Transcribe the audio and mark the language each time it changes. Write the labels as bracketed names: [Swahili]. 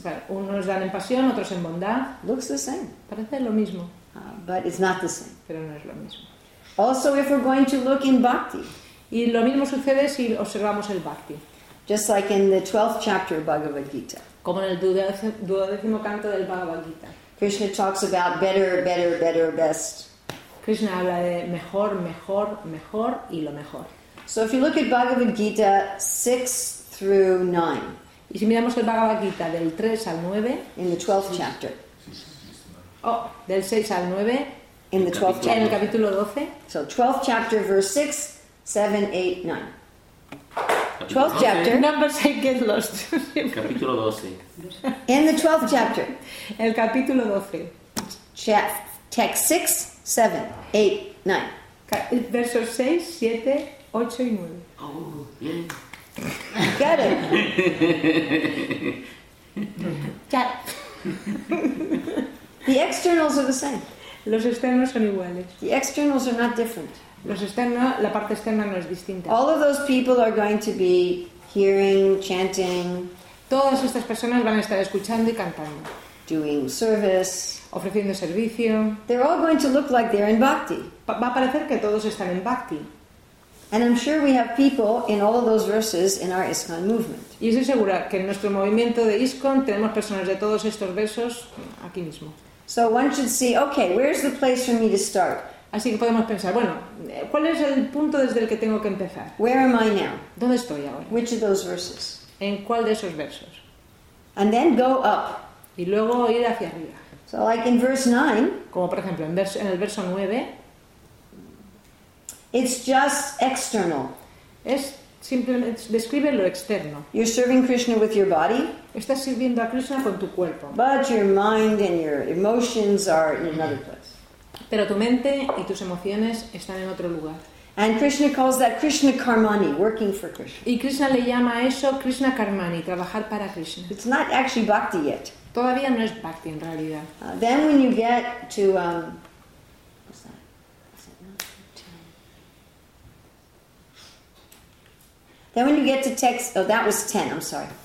[Spanish] Pero unos dan en pasión, otros en bondad. [English] Looks the same. [Spanish] Parece lo mismo. [English] But it's not the same. [Spanish] Pero no es lo mismo. [English] Also, if we're going to look in bhakti. [Spanish] Y lo mismo sucede si observamos el bhakti. [English] Just like in the 12th chapter of Bhagavad Gita. [Spanish] Como en el duodécimo canto del Bhagavad Gita. [English] Krishna talks about better, better, better, best. [Spanish] Krishna habla de mejor, mejor, mejor y lo mejor. [English] So if you look at Bhagavad Gita 6 through 9. [Spanish] Y si miramos el Bhagavad Gita del 3 al 9 [English] in the 12th chapter. [Spanish] Oh, del 6 al 9 [English] in the 12th chapter. [Spanish] En el capítulo 12. [English] So 12th chapter verse 6, 7, 8, 9. 12th chapter. Numbers I get lost. [Spanish] Capítulo 12. [English] In the 12th chapter. [Spanish] El capítulo 12. [English] Text 6, 7, 8, 9. [Spanish] Versos 6, 7, 8 y 9. [English] Oh, yeah. Got it. Chat. The externals are the same. [Spanish] Los externos son iguales. [English] The externals are not different. [Spanish] Los externa, la parte externa no es distinta. [English] All of those people are going to be hearing, chanting. [Spanish] Todas estas personas van a estar escuchando y cantando. [English] Doing service. [Spanish] Ofreciendo servicio. [English] They're all going to look like they're in bhakti. [Spanish] Va a parecer que todos están en bhakti. [English] And I'm sure we have people in all of those verses in our ISKCON movement. [Spanish] Y estoy segura que en nuestro movimiento de ISKCON tenemos personas de todos estos versos aquí mismo. [English] So one should see, okay, where's the place for me to start? [Spanish] Así que podemos pensar, bueno, ¿cuál es el punto desde el que tengo que empezar? [English] Where am I now? [Spanish] ¿Dónde estoy ahora? [English] Which of those verses? [Spanish] ¿En cuál de esos versos? [English] And then go up. [Spanish] Y luego ir hacia arriba. [English] So like in verse 9, [Spanish] como por ejemplo en el verso 9, [English] it's just external. [Spanish] Es simplemente describe lo externo. [English] You're serving Krishna with your body. [Spanish] Estás sirviendo a Krishna con tu cuerpo. [English] But your mind and your emotions are in another place. [Spanish] Pero tu mente y tus emociones están en otro lugar. [English] And Krishna calls that Krishna Karmani, working for Krishna. [Spanish] Y Krishna le llama eso Krishna Karmani, trabajar para Krishna. [English] It's not actually bhakti yet. [Spanish] Todavía no es bhakti en realidad. [English] Then when you get to Then when you get to text, oh, that was 10, I'm sorry.